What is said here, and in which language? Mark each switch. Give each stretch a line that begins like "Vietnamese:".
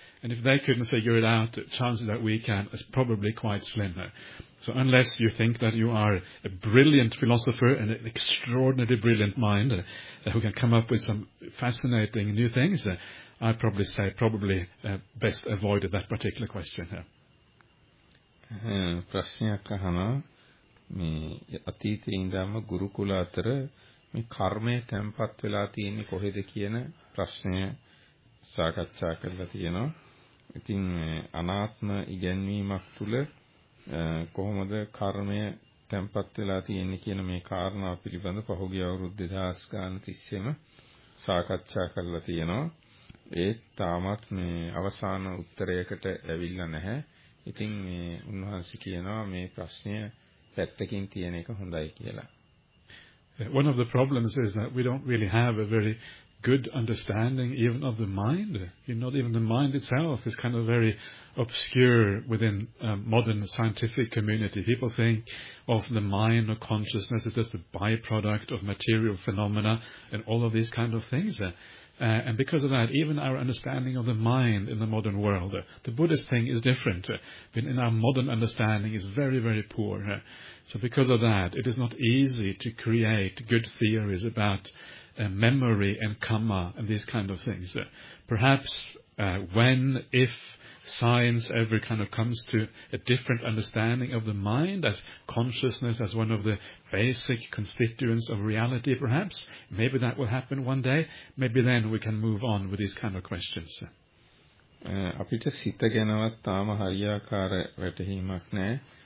English: And if they couldn't figure it out, chances that we can is probably quite slim. So unless you think that you are a brilliant philosopher and an extraordinarily brilliant mind who can come up with some fascinating new things, I'd probably say best avoid that particular question.
Sinhala: ප්‍රශ්නයක් අහනවා මේ අතීතේ ඉඳන්ම ගුරුකුල අතර මේ කර්මය තැන්පත් වෙලා තියෙන්නේ කොහෙද කියන ප්‍රශ්නය සාකච්ඡා කරලා තියෙනවා. ඉතින් අනාත්ම ඉගැන්වීමක් තුළ කොහොමද කර්මය තැන්පත් වෙලා තියෙන්නේ කියන මේ කාරණාව පිළිබඳ පහුගිය අවුරුදු 2000 ගාන තිස්සේම සාකච්ඡා කරලා තියෙනවා. ඒත් තාමත් මේ අවසාන උත්තරයකට ඇවිල්ලා නැහැ. ඉතින් මේ උන්වහන්සේ කියනවා මේ ප්‍රශ්නය පැත්තකින් තියෙන එක හොඳයි කියලා.
English: One of the problems is that we don't really have a very good understanding even of the mind. You know, not even the mind itself is kind of very obscure within modern scientific community. People think of the mind or consciousness as just a byproduct of material phenomena and all of these kind of things. And because of that, even our understanding of the mind in the modern world, the Buddhist thing is different. But in our modern understanding is very, very poor. So because of that, it is not easy to create good theories about memory and karma and these kind of things. Perhaps if science ever kind of comes to a different understanding of the mind as consciousness, as one of the basic constituents of reality, perhaps maybe that will happen one day. Maybe then we can move on with these kind of questions.
Sinhala: අපිට සිත ගැනවත් තාම හරියාකාර වැටහීමක් නැහැ.